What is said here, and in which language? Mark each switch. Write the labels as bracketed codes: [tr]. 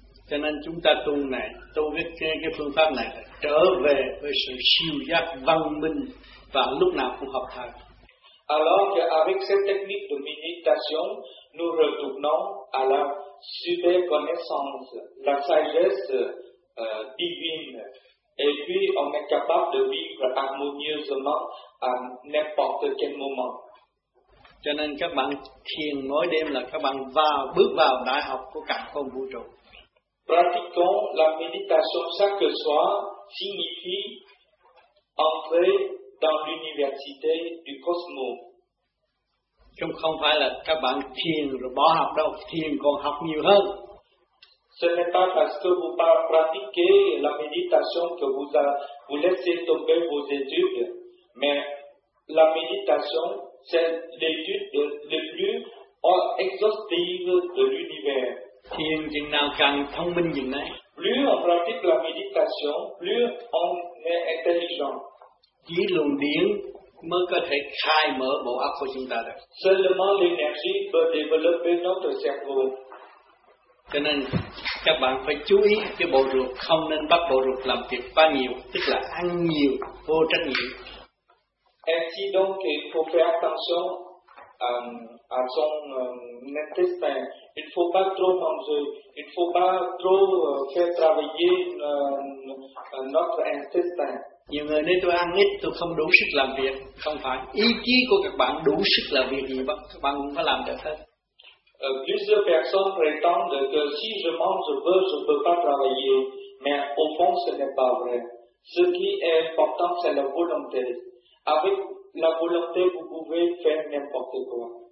[vi] Cho nên chúng ta tu này, tu cái phương pháp này trở về với sự siêu giác văn minh và lúc nào cũng học thật. [fr] Alors que avec cette technique de méditation, nous retournons à la super connaissance, la sagesse divine, et puis on est capable de vivre harmonieusement à n'importe quel moment. [vi] Cho nên các bạn thiền mỗi đêm là các bạn bước vào đại học của cả không vũ trụ. [fr] Pratiquons la méditation chaque soir signifie entrer dans l'université du cosmos. [vi] Chúng không phải là các bạn thiền rồi bỏ học đâu, thiền còn học nhiều hơn. [fr] Ce n'est pas parce que vous pratiquez la méditation que vous laissez tomber vos études, mais la méditation, c'est l'étude le plus exhaustive de l'univers. [vi] Thiền chừng nào càng thông minh chừng đấy. [fr] Plus on pratique la méditation, plus on est intelligent. [vi] Chỉ luồng điển mới có thể khai mở bộ óc của chúng ta được. [fr] Seulement l'énergie peut développer notre cerveau. [vi] Cho nên các bạn phải chú ý cái bộ ruột, không nên bắt bộ ruột làm việc quá nhiều, tức là ăn nhiều, vô trách nhiệm. [fr] Ainsi donc, il faut faire attention à son intestin. Il faut pas trop manger. Il faut pas trop faire travailler notre intestin. [vi] Nhiều người nói tôi ăn ít, tôi không đủ sức làm việc. Không phải, ý chí của các bạn đủ sức làm việc gì, các bạn cũng phải làm được hết. [fr] Plusieurs personnes prétendent que si je mange peu, je peux pas travailler. Mais au fond, ce n'est pas vrai. Ce qui est important, c'est la volonté. Avec la volonté, vous pouvez faire n'importe quoi.